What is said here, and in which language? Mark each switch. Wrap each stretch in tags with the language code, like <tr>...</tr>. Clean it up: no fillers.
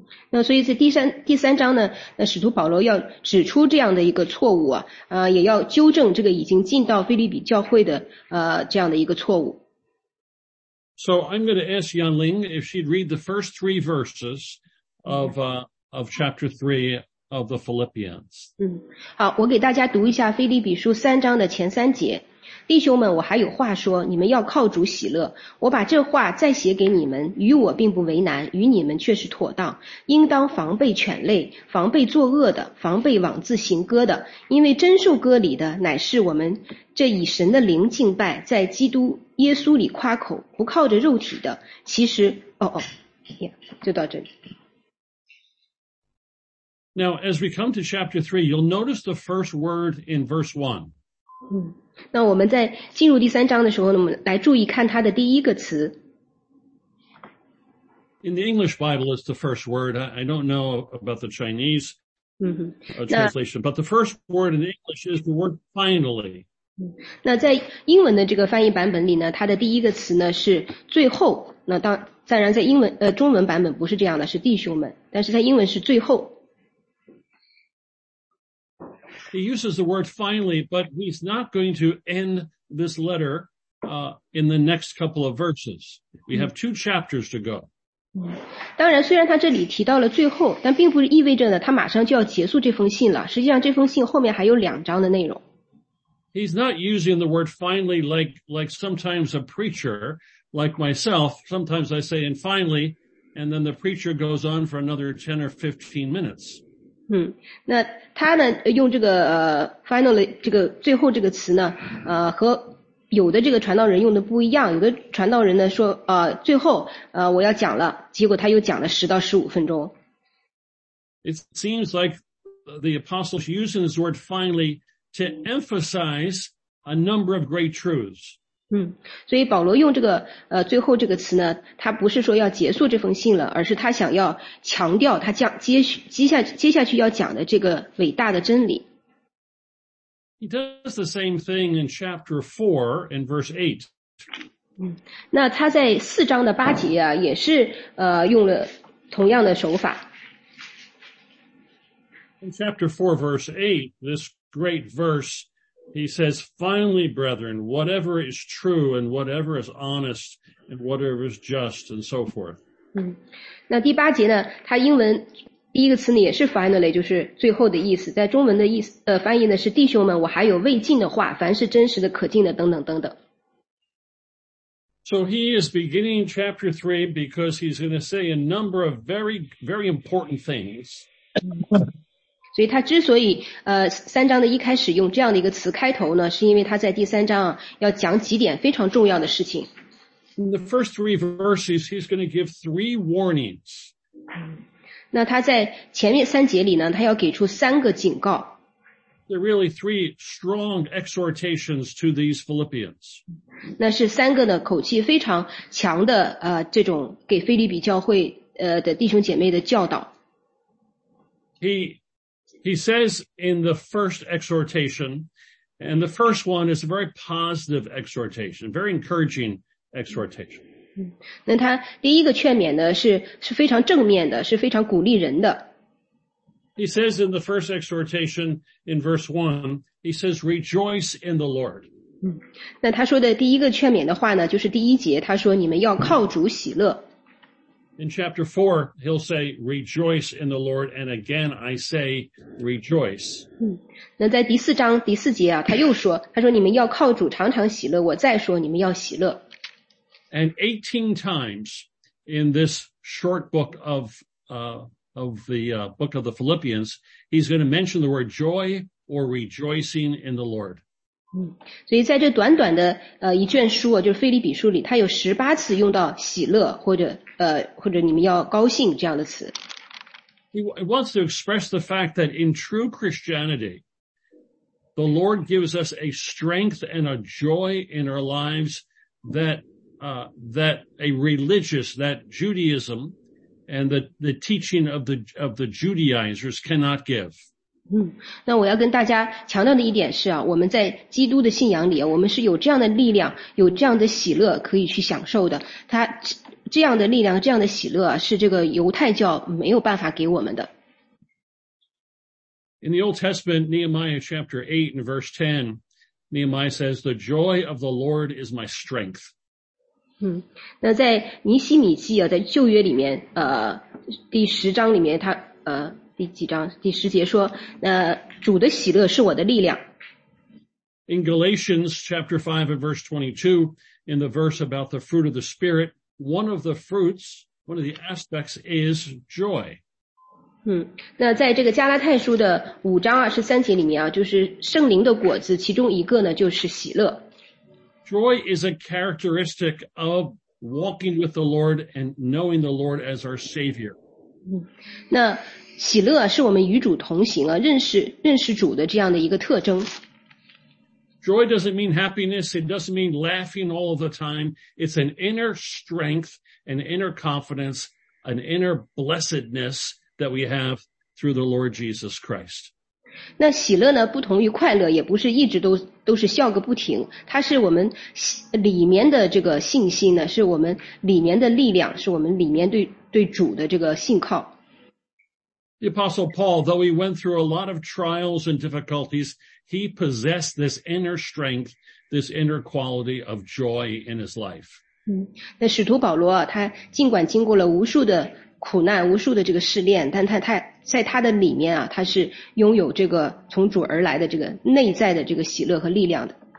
<zh>那所以在第三章呢，那使徒保罗要指出这样的一个错误啊，也要纠正这个已经进到腓立比教会的这样的一个错误。</zh> <en>So I'm going to ask Yanling if she'd read the first three verses of chapter 3. Of the Philippians.</en> <zh>好，我给大家读一下腓立比书三章的前三节。弟兄们，我还有话说，你们要靠主喜乐。我把这话再写给你们，与我并不为难，与你们却是妥当。应当防备犬类，防备作恶的，防备枉自行割的，因为真受割礼的乃是我们这以神的灵敬拜，在基督耶稣里夸口，不靠着肉体的。其实，就到这里。</zh> <en>Now, as we come to chapter 3, you'll notice the first word in verse 1.</en> <zh>那我们在进入第三章的时候呢，我们来注意看它的第一个词。</zh> <en>In the English Bible, it's the first word. I don't know about the Chinese translation, but the first word in English is the word finally.</en> <zh>那在英文的这个翻译版本里呢，它的第一个词呢是最后。那当然在英文中文版本不是这样的，是弟兄们，但是在英文是最后。</zh> <en>He uses the word finally, but he's not going to end this letter, in the next couple of verses. We have two chapters to go.</en> <zh>当然虽然他这里提到了最后，但并不意味着呢他马上就要结束这封信了，实际上这封信后面还有两章的内容。</zh> <en>He's not using the word finally like sometimes a preacher like myself, sometimes I say, and finally, and then the preacher goes on for another 10 or 15 minutes.</en> <zh>那他呢用这个finally 这个最后这个词呢和有的这个传道人用的不一样，有的传道人呢说最后我要讲了，结果他又讲了10到15分钟。</zh> <en>It seems like the apostles using this word finally to emphasize a number of great truths.</en> <zh>所以保罗用这个最后这个词呢，他不是说要结束这封信了，而是他想要强调他接下去要讲的这个伟大的真理。</zh> <en>He does the same thing in chapter 4 in verse 8.</en> <zh>那他在四章的八节啊，也是用了同样的手法。</zh> <en>In chapter 4, verse 8, this great verse, he says, finally, brethren, whatever is true and whatever is honest and whatever is just and so forth.</en> <zh>那第八节呢，他英文第一个词呢也是 finally, 就是最后的意思，在中文的意思翻译呢是弟兄们，我还有未尽的话，凡是真实的可敬的等等等等。</zh> <en>So he is beginning chapter 3 because he's going to say a number of very, very important things.</en> <zh>所以他之所以三章的一开始用这样的一个词开头呢，是因为他在第三章要讲几点非常重要的事情。</zh> <en>In the first three verses, he's going to give three warnings.</en> <zh>那他在前面三节里呢，他要给出三个警告。</zh> <en>There are really three strong exhortations to these Philippians.</en> <zh>那是三个呢口气非常强的这种给腓立比教会的弟兄姐妹的教导。</zh> <en>He says in the first exhortation, and the first one is a very positive exhortation, very encouraging exhortation.</en> <zh>那他第一个劝勉呢是非常正面的，是非常鼓励人的。</zh> <en>He says in the first exhortation in verse 1, he says, rejoice in the Lord.</en> <zh>那他说的第一个劝勉的话呢，就是第一节，他说你们要靠主喜乐。</zh> <en>In chapter 4, he'll say, rejoice in the Lord, and again I say, rejoice.</en> <zh>那在第四章第四节啊，他又说，他说你们要靠主常常喜乐，我再说你们要喜乐。</zh> <en>And 18 times in this short book of the Philippians, he's going to mention the word joy or rejoicing in the Lord.</en> <zh>所以在这短短的一卷书啊，就是腓立比书里，他有18次用到喜乐或者你们要高兴这样的词。</zh> <en>He wants to express the fact that in true Christianity, the Lord gives us a strength and a joy in our lives that a religious, that Judaism and the teaching of the Judaizers cannot give.</en> <zh>那我要跟大家强调的一点是啊，我们在基督的信仰里啊，我们是有这样的力量，有这样的喜乐可以去享受的。他这样的力量，这样的喜乐啊，是这个犹太教没有办法给我们的。</zh> <en>In the Old Testament, Nehemiah chapter 8 and verse 10, Nehemiah says, the joy of the Lord is my strength.</en> <zh>那在尼希米记啊，在旧约里面，第十章里面，他第几章第十节说，主的喜乐是我的力量。</zh> <en>In Galatians chapter 5 and verse 22, in the verse about the fruit of the Spirit, one of the fruits, one of the aspects is joy.</en> <zh>那在这个加拉太书的五章二十三节里面啊，就是圣灵的果子，其中一个呢就是喜乐。</zh> <en>Joy is a characteristic of walking with the Lord and knowing the Lord as our Savior.</en> <zh>那喜乐是我们与主同行啊，认识主的这样的一个特征。</zh> <en>Joy doesn't mean happiness, it doesn't mean laughing all the time. It's an inner strength, an inner confidence, an inner blessedness that we have through the Lord Jesus Christ.</en> <zh>那喜乐呢不同于快乐，也不是一直都是笑个不停，它是我们里面的这个信心呢，是我们里面的力量，是我们里面对主的这个信靠。</zh> <en>The Apostle Paul, though he went through a lot of trials and difficulties, he possessed this inner strength, this inner quality of joy in his life.</en> <zh>那使徒保罗啊，他尽管经过了无数的苦难，无数的这个试炼，但他在他的里面啊，他是拥有这个从主而来的这个内在的这个喜乐和力量的。</zh>